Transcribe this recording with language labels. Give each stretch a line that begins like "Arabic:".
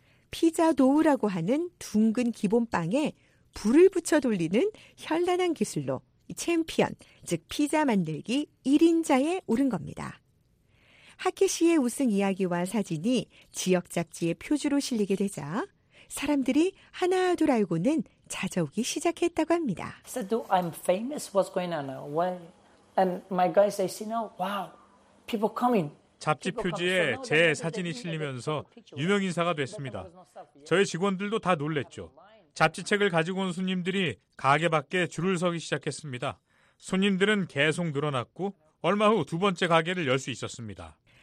Korean: 피자 도우라고 하는 둥근 기본빵에 불을 붙여 돌리는 현란한 기술로 챔피언, 즉 피자 만들기 1인자에 오른 겁니다. 하키 씨의 우승 이야기와 사진이 지역 잡지의 표지로 실리게 되자 사람들이 하나 둘 알고는 찾아오기 시작했다고 합니다.
English: Said, I'm famous. What's going on? Why? And my guys say, you know, wow, people coming.
Korean: 잡지 표지에 제 사진이 실리면서 유명 인사가 됐습니다. 저희 직원들도 다 놀랐죠. 잡지책을 가지고 온 손님들이 가게 밖에 줄을 서기 시작했습니다. 손님들은 계속 늘어났고 얼마 후 두 번째 가게를 열 수 있었습니다.